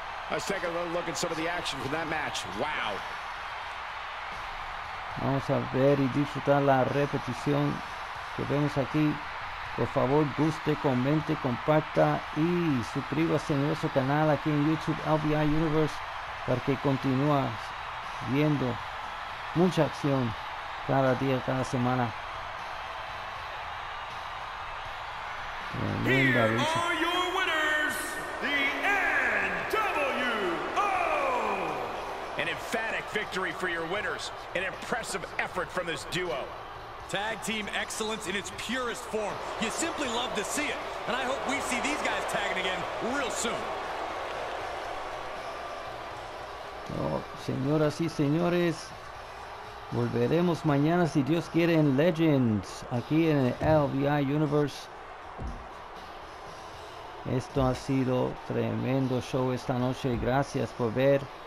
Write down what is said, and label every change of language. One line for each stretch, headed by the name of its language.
English: Let's take a look at some of the action from that match. Wow.
Spanish: Vamos a ver y disfrutar la repetición que vemos aquí. Por favor, guste, comente, comparta y suscríbase a nuestro canal aquí en YouTube, LBI Universe, para que continúes viendo mucha acción cada día, cada semana. Tremenda lucha.
English: Here are your winners, the NWO. An emphatic victory for your winners. An impressive effort from this duo. Tag team excellence in its purest form. You simply love to see it. And I hope we see these guys tagging again real soon.
Spanish: Oh, señoras y señores, volveremos mañana si Dios quiere en Legends, aquí en el LBI Universe. Esto ha sido tremendo show esta noche. Gracias por ver.